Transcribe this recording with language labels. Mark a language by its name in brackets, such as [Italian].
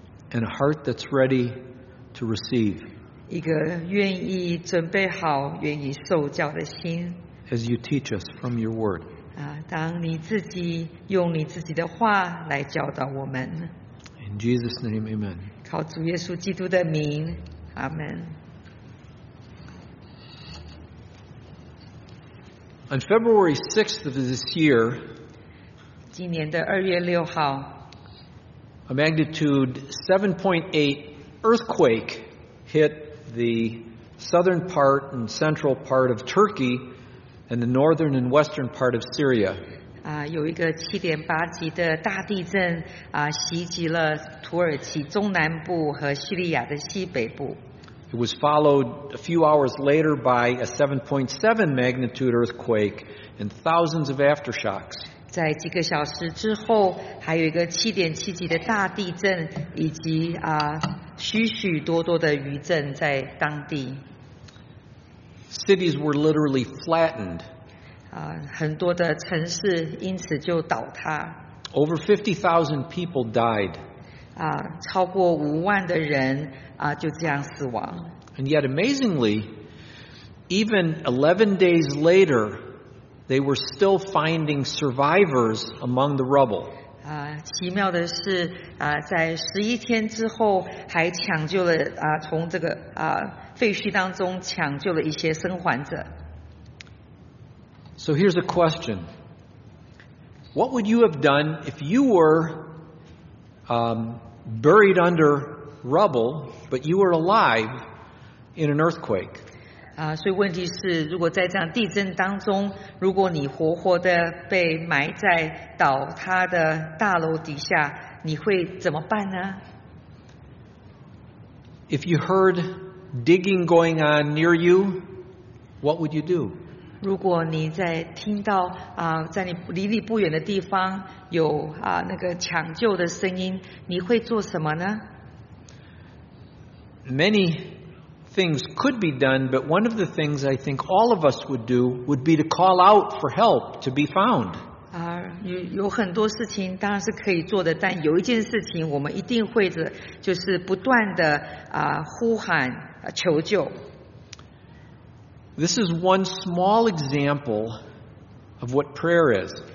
[English] And a heart that's ready to receive. [Chinese] 一个愿意准备好愿意受教的心。 [English] As you teach us from your word. [Chinese] 当你自己用你自己的话来教导我们。 [English] In Jesus' name, amen. [Chinese] 靠主耶稣基督的名，阿门。 [English] On February 6th of this year, [Chinese] 今年的2月6号， [English] A magnitude 7.8 earthquake hit the southern part and central part of Turkey and the northern and western part of Syria. [Chinese] 有一个 7.8 级的大地震袭击了土耳其中南部和叙利亚的西北部。 [English] It was followed a few hours later by a 7.7 magnitude earthquake and thousands of aftershocks. [Chinese] 在几个小时之后，还有一个 7.7 级的大地震，以及许许多多的余震在当地。 [English] Cities were literally flattened. [Chinese] 很多的城市因此就倒塌。 [English] Over 50,000 people died. [Chinese] 超过五万的人就这样死亡。 [English] And yet, amazingly, even 11 days later,They were still finding survivors among the rubble. [Chinese] 奇妙的是，在11天之后，还抢救了从这个废墟当中抢救了一些生还者。 [English] So here's a question: What would you have done if you were buried under rubble, but you were alive in an earthquake? [Chinese] 所以问题是，如果在这样地震当中，如果你活活的被埋在倒塌的大楼底下，你会怎么办呢？ [English] If you heard digging going on near you, what would you do? [Chinese] 如果你在听到在你离你不远的地方有那个抢救的声音，你会做什么呢？ [English] Many things could be done, but one of the things I think all of us would do would be to call out for help to be found. [Chinese] 有很多事情当然是可以做的，但有一件事情我们一定会的，就是不断的呼喊求救。 [English] This is one small example of what prayer is.